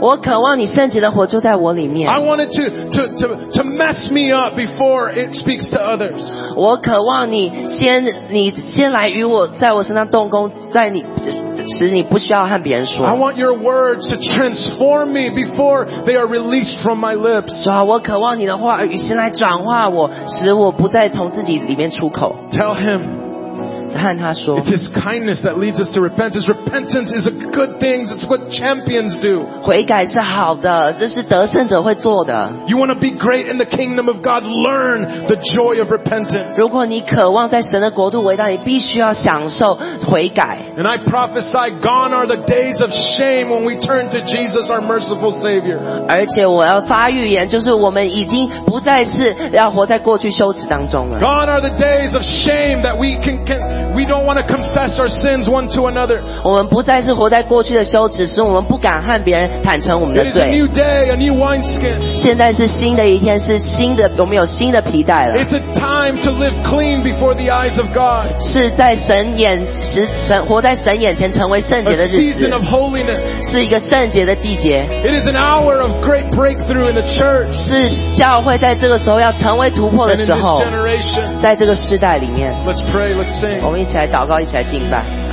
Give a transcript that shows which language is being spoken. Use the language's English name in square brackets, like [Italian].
[Chinese] 我渴望你圣洁的火就在我里面 [English] I want it to mess me up before it speaks to others [Chinese] 我渴望你先来与我在我身上动工在你使你不需要和别人说 [English] I want your words to transform me before they are released from my lips [Chinese] 主啊我渴望你的话语先来转化我使我不再从自己里面出口 [English] tell him [Chinese] 和他说 [English] it's his kindness that leads us to repentance repentance is a good thing it's what champions do [Chinese] 悔改是好的这是得胜者会做的 [English] you want to be great in the kingdom of God learn the joy of repentance [Chinese] 如果你渴望在神的国度伟大你必须要享受悔改 [English] and I prophesy gone are the days of shame when we turn to Jesus our merciful Savior [Chinese] 而且我要发预言就是我们已经不再是要活在过去羞耻当中了 [English] gone are the days of shame that we can We don't want to confess our sins one to another. [Chinese] 我们不再是活在过去的羞耻，是我们不敢和别人坦诚我们的罪。 [English] It is a new day, a new wineskin. [Chinese] 现在是新的一天，是新的，我们有新的皮带了。 [English] It's a time to live clean before the eyes of God. [Chinese] 是在神眼，是神活在神眼前成为圣洁的日子。 [English] A season of holiness. [Chinese] 是一个圣洁的季节。 [English] It is an hour of great breakthrough in the church. [Chinese] 是教会在这个时候要成为突破的时候。 [English] And in this generation. [Chinese] 在这个世代里面。 [English] Let's pray. Let's sing. [Chinese] 我们一起来祷告，一起来敬拜。